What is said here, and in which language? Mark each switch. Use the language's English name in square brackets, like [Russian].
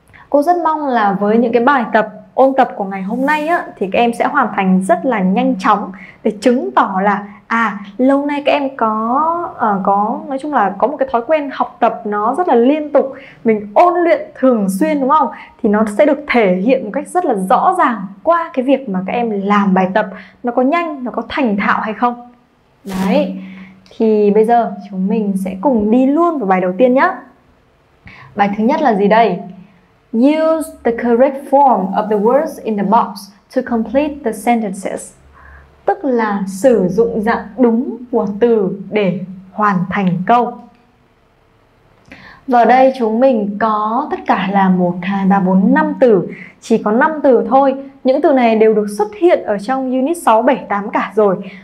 [Vietnamese] Cô rất mong là với những cái bài tập ôn tập của ngày hôm nay á thì các em sẽ hoàn thành rất là nhanh chóng để chứng tỏ là lâu nay các em có một cái thói quen học tập nó rất là liên tục, mình ôn luyện thường xuyên đúng không, thì nó sẽ được thể hiện một cách rất là rõ ràng qua cái việc mà các em làm bài tập nó có nhanh, nó có thành thạo hay không. Đấy, thì bây giờ chúng mình sẽ cùng đi luôn vào bài đầu tiên nhá. Bài thứ nhất là gì đây? [English] Use the correct form of the words in the box to complete the sentences. [Vietnamese] Tức là sử dụng dạng đúng của từ để hoàn thành câu. Và ở đây chúng mình có tất cả là 1, 2, 3, 4, 5 từ. Chỉ có 5 từ thôi. Những từ này đều được xuất hiện ở trong unit 6, 7, 8 cả rồi.